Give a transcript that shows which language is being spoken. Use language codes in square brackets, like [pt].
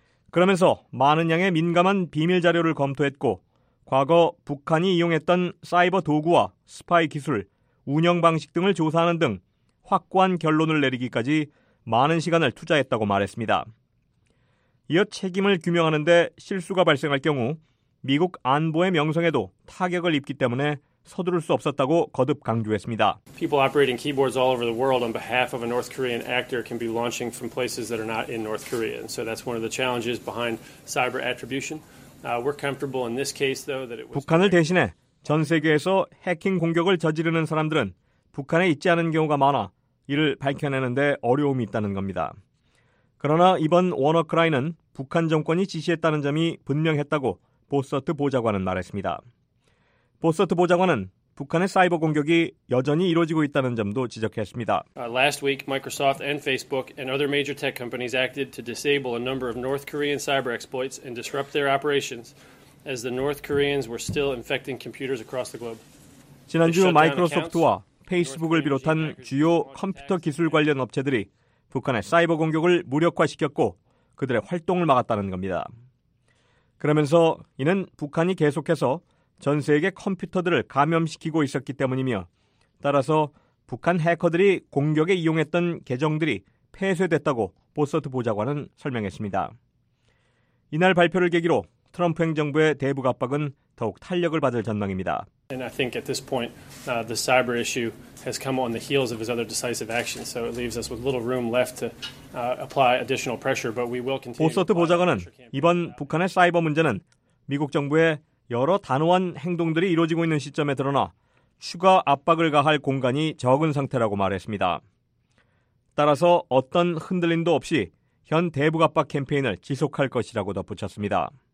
[ko] 그러면서 많은 양의 민감한 비밀 자료를 검토했고 과거 북한이 이용했던 사이버 도구와 스파이 기술, 운영 방식 등을 조사하는 등 확고한 결론을 내리기까지 많은 시간을 투자했다고 말했습니다. 이어 책임을 규명하는 데 실수가 발생할 경우 미국 안보의 명성에도 타격을 입기 때문에 서두를 수 없었다고 거듭 강조했습니다. [en] People operating keyboards all over the world on behalf of a North Korean actor can be launching from places that are not in North Korea. So that's one of the challenges behind cyber attribution. We're comfortable in this case though that it was [ko] 북한을 대신해 전 세계에서 해킹 공격을 저지르는 사람들은 북한에 있지 않은 경우가 많아 이를 밝혀내는 데 어려움이 있다는 겁니다. 그러나 이번 워너크라이는 북한 정권이 지시했다는 점이 분명했다고 보서트 보좌관은 말했습니다. 보서트 보좌관은 북한의 사이버 공격이 여전히 이루어지고 있다는 점도 지적했습니다. [en] Last week, Microsoft and Facebook and other major tech companies acted to disable a number of North Korean cyber exploits and disrupt their operations as the North Koreans were still infecting computers across the globe. [ko] 지난주 마이크로소프트와 페이스북을 비롯한 주요 컴퓨터 기술 관련 업체들이 북한의 사이버 공격을 무력화시켰고 그들의 활동을 막았다는 겁니다. 그러면서 이는 북한이 계속해서 전 세계 컴퓨터들을 감염시키고 있었기 때문이며 따라서 북한 해커들이 공격에 이용했던 계정들이 폐쇄됐다고 보서트 보좌관은 설명했습니다. 이날 발표를 계기로 트럼프 행정부의 대북 압박은 더욱 탄력을 받을 전망입니다. [en] And I think at this point the cyber issue has come on the heels of his other decisive action, so it leaves us with little room left to apply additional pressure, but we will continue. [ko] 보서트 보좌관은 이번 북한의 사이버 문제는 미국 정부의 여러 단호한 행동들이 이루어지고 있는 시점에 드러나 추가 압박을 가할 공간이 적은 상태라고 말했습니다. 따라서 어떤 흔들림도 없이 현 대북 압박 캠페인을 지속할 것이라고 덧붙였습니다.